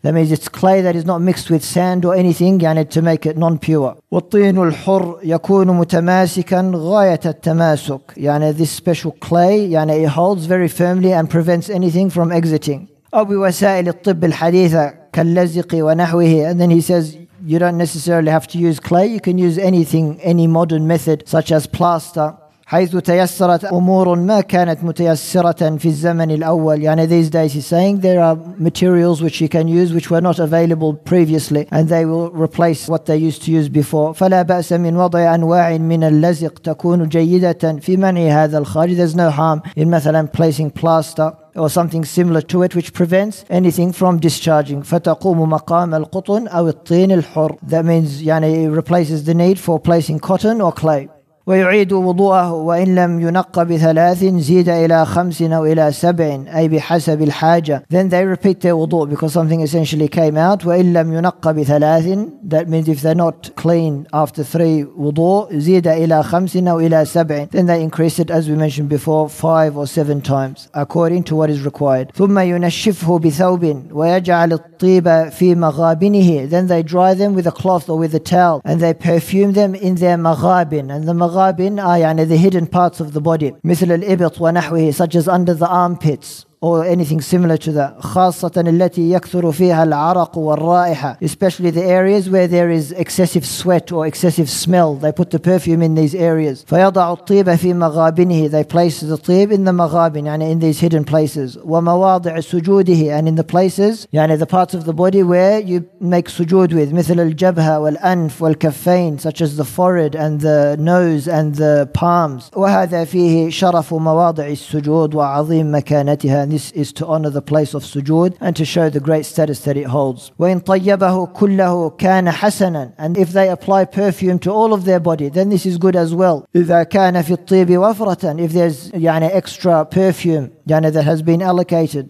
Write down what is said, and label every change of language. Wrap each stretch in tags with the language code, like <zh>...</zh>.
<en>That means it's clay that is not mixed with sand or anything to make it non-pure.</en> <ar>والطين الحر يكون متماسكا غاية التماسك.</ar> <en>This special clay it holds very firmly and prevents anything from exiting.</en> <ar>أو بوسائل الطب الحديثة كاللزق ونحوه.</ar> <en>And then he says, you don't necessarily have to use clay, you can use anything, any modern method such as plaster.</en> <ar>حيث تيسرت أمور ما كانت متيسرة في الزمن الأول.</ar> <en>These days he's saying there are materials which you can use which were not available previously, and they will replace what they used to use before.</en> <ar>فلا بأس من وضع أنواع من اللزق تكون جيدة في منع هذا الخارج.</ar> <en>There's no harm in</en> <ar>مثلا</ar> <en>placing plaster or something similar to it which prevents anything from discharging.</en> <ar>فتقوم مقام القطن أو الطين الحر.</ar> <en>That means it replaces the need for placing cotton or clay.</en> <ar>ويعيد وضوءه وإن لم ينق بثلاث زيد إلى خمس أو إلى سبع أي بحسب الحاجة.</ar> <en>Then they repeat their wudu because something essentially came out.</en> <ar>وإن لم ينق بثلاث,</ar> <en>that means if they're not clean after three wudu,</en> <ar>زيد إلى خمس أو إلى سبع,</ar> <en>then they increase it as we mentioned before, five or seven times according to what is required.</en> <ar>ثم ينشفه بثوب ويجعل الطيب في مغابنه.</ar> <en>Then they dry them with a cloth or with a towel and they perfume them in their مغابن. And the مغابن are</en> <ar>يعني</ar> <en>the hidden parts of the body,</en> <ar>مثل الإبط ونحوه,</ar> <en>such as under the armpits or anything similar to that.</en> <ar>خاصة التي يكثر فيها العرق والرائحة,</ar> <en>especially the areas where there is excessive sweat or excessive smell, they put the perfume in these areas.</en> <ar>فيضع الطيب في مغابنه,</ar> <en>they place the طيب in the مغابن,</en> <ar>يعني</ar> <en>in these hidden places.</en> <ar>ومواضع سجوده,</ar> <en>and in the places,</en> <ar>يعني</ar> <en>the parts of the body where you make sujood with,</en> <ar>مثل الجبهة والأنف والكفين,</ar> <en>such as the forehead and the nose and the palms.</en> <ar>وهذا فيه شرف مواضع السجود وعظيم مكانتها.</ar> <en>And this is to honor the place of sujood and to show the great status that it holds.</en> <ar>وَإِن طَيَّبَهُ كُلَّهُ كَانَ حَسَنًا.</ar> <en>And if they apply perfume to all of their body, then this is good as well.</en> <ar>إِذَا كَانَ فِي الطِّيبِ وَفْرَةً.</ar> <en>If there's</en> <ar>يعني</ar> <en>extra perfume يعني that has been allocated.</en>